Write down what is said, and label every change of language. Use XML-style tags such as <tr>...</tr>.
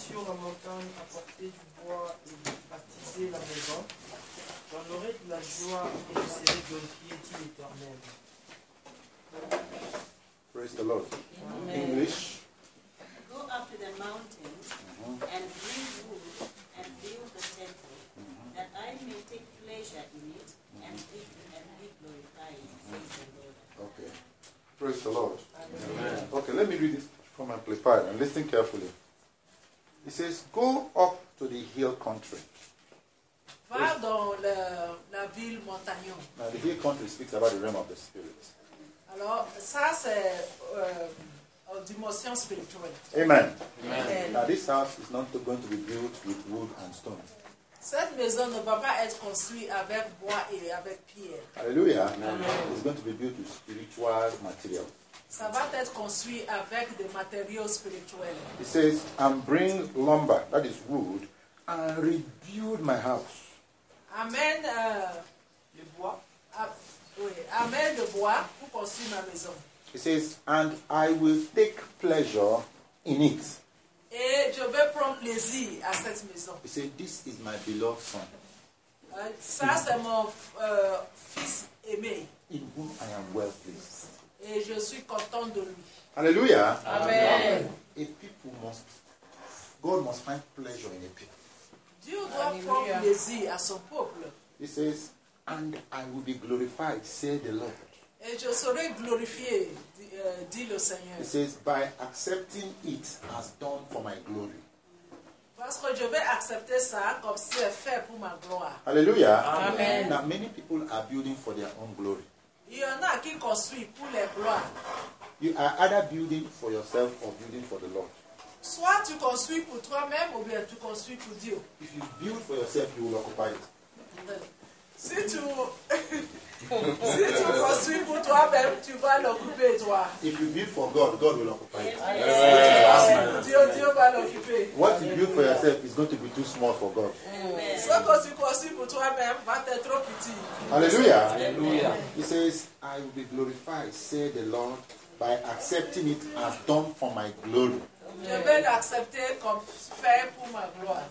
<fr>Sur la montagne, apporter du bois et baptiser la maison. J'en aurai de la joie et je serai glorifié, dit l'Éternel.</fr> <en>Praise the Lord. Amen. English. Go up to the mountain and bring wood and build the temple, that I may take pleasure in it and be glorified, says the Lord. Okay. Praise the Lord. Amen. Okay, let me read this from Amplified and listen carefully. It says, go up to the hill country.</en> <fr>Va dans la ville montagnon.</fr> <en>Now, the hill country speaks about the realm of the spirit.</en> <fr>Alors, ça, c'est une dimension spirituelle.</fr> <en>Amen. Amen. Now, this house is not going to be built with wood and stone.</en> <fr>Cette maison ne va pas être construite avec bois et avec pierre. Alléluia.</fr> <en>Amen. It's going to be built with spiritual material.</en> <fr>Ça va être construit avec des matériaux spirituels.</fr> <en>It says, and bring lumber, that is wood, and rebuild my house. Amen.</en> <fr>Le bois. Amen de bois pour construire ma maison.</fr> <en>It says, and I will take pleasure in it.</en> <fr>Et je vais prendre plaisir à cette maison.</fr> <en>It says, this is my beloved son.</en> <fr>Ça, c'est mon fils aimé.</fr> <en>In whom I am well pleased.</en> <fr>Et je suis content de lui. Alléluia.</fr> <en>Amen. Et people must, God must find pleasure in a people.</en> <fr>Dieu doit prendre plaisir à son peuple.</fr> <en>He says, and I will be glorified, said the Lord.</en> <fr>Et je serai glorifié, dit le Seigneur.</fr> <en>He says, by accepting it as done for my glory.</en> <fr>Parce que je vais accepter ça comme c'est fait pour ma gloire. Alléluia.</fr> <en>Amen. Now many people are building for their own glory.</en> <fr>Il y en a qui construit pour les gloires.</fr> <en>You are either building for yourself or building for the Lord.</en> <fr>Soit tu construis pour toi-même ou bien tu construis pour Dieu.</fr> <en>If you build for yourself, you will occupy it.</en> <fr>Si tu construis pour toi-même, tu vas l'occuper toi.</fr> <en>If you build for God, God will occupy it.</en> <fr>Si tu construis pour Dieu, Dieu va l'occuper.</fr> <en>What you build for yourself is going to be too small for God.</en> <fr>Ce que tu construis pour toi-même va être trop petit. Alléluia. Alléluia.</fr> <en>He says, I will be glorified, say the Lord, by accepting it as done for my glory.</en> <fr>Je vais l'accepter comme fait pour ma gloire.</fr>